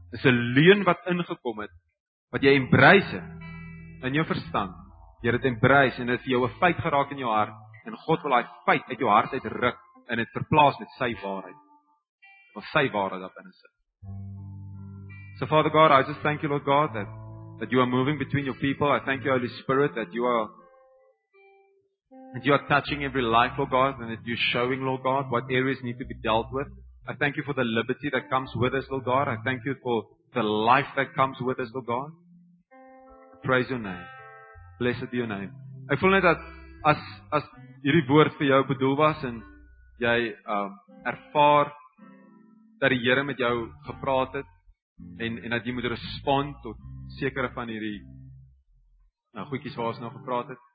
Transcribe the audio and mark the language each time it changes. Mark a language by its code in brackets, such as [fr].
[af] Is 'n leuen wat ingekom het wat jy embrace in jou verstand. Jy het embrace en dit is jou 'n feit geraak in jou hart en God wil daai feit uit jou hart uitruk en dit verplaas met sy waarheid. Wat sy waarheid daarin sit. [en] So Father God, I just thank you Lord God that you are moving between your people. I thank you Holy Spirit that you are touching every life, Lord God, and that you're showing, Lord God, what areas need to be dealt with. I thank you for the liberty that comes with us, Lord God. I thank you for the life that comes with us, Lord God. Praise your name. Blessed be your name. [af] Ek voel net dat as hierdie woord vir jou bedoel was en jy ervaar dat die Here met jou gepraat het en dat jy moet respond tot sekere van hierdie goedjies waar ons nou gepraat het.